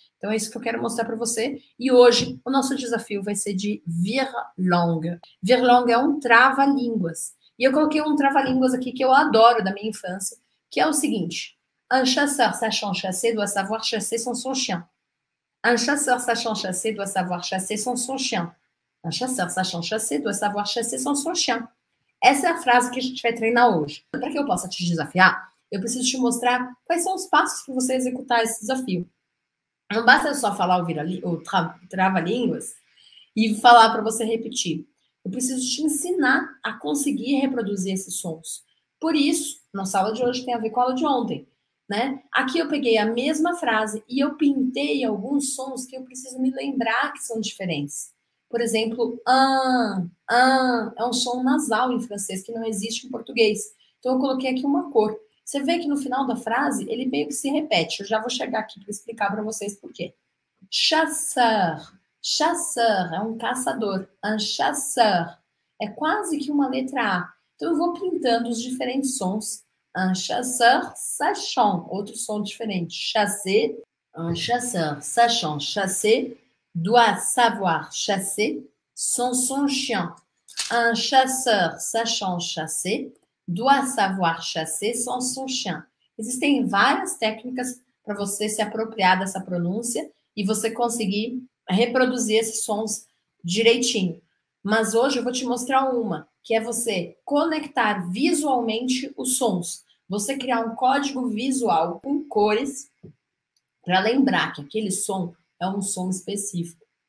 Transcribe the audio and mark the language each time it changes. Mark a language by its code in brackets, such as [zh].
[pt] Então, é isso que eu quero mostrar para você. E hoje o nosso desafio vai ser de Virlonga. Virlonga é um trava-línguas. E eu coloquei um trava-línguas aqui que eu adoro da minha infância, que é o seguinte: [fr] Un chasseur sachant chasser doit savoir chasser sans son chien. Un chasseur sachant chasser doit savoir chasser sans son chien. Un chasseur sachant chasser doit savoir chasser sans son chien. [pt] Essa é a frase que a gente vai treinar hoje. Para que eu possa te desafiar, eu preciso te mostrar quais são os passos para você executar esse desafio. Não basta eu só falar o trava-línguas e falar para você repetir. Eu preciso te ensinar a conseguir reproduzir esses sons. Por isso, nossa aula de hoje tem a ver com a aula de ontem. né? Aqui eu peguei a mesma frase e eu pintei alguns sons que eu preciso me lembrar que são diferentes. Por exemplo, é um som nasal em francês que não existe em português. Então eu coloquei aqui uma cor. Você vê que no final da frase ele meio que se repete. Eu já vou chegar aqui para explicar para vocês por quê. Chasseur, chasseur é um caçador. Un chasseur é quase que uma letra A. Então eu vou pintando os diferentes sons. [fr] Un chasseur, sachant, [pt] outro som diferente. [fr] Chasser, un chasseur, sachant, chasser, doit savoir chasser, sans son chien. Un chasseur, sachant, chasser, doit savoir chasser, sans son chien. [pt] Existem várias técnicas para você se apropriar dessa pronúncia e você conseguir reproduzir esses sons direitinho. Mas hoje eu vou te mostrar uma, que é você conectar visualmente os sons. Você criar um código visual com cores para lembrar que aquele som é um som específico.